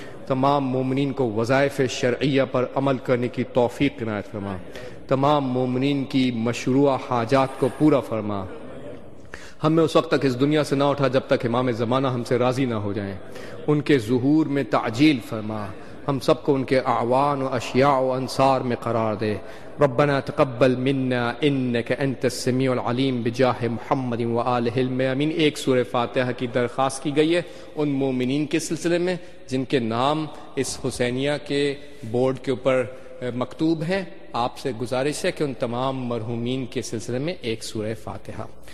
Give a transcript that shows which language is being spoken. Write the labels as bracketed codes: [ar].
[ur] تمام مومنین کو وظائف شرعیہ پر عمل کرنے کی توفیق عنایت فرما. تمام مومنین کی مشروع حاجات کو پورا فرما. ہمیں اس وقت تک اس دنیا سے نہ اٹھا جب تک امام زمانہ ہم سے راضی نہ ہو جائیں. ان کے ظہور میں تعجیل فرما. ہم سب کو ان کے اعوان و اشیاء و انصار میں قرار دے. [ar] ربنا تقبل منا انك انت السميع العليم بجاه محمد و آله المؤمنين. [ur] ایک سورہ فاتحہ کی درخواست کی گئی ہے ان مومنین کے سلسلے میں جن کے نام اس حسینیہ کے بورڈ کے اوپر مکتوب ہیں. آپ سے گزارش ہے کہ ان تمام مرحومین کے سلسلے میں ایک سورہ فاتحہ.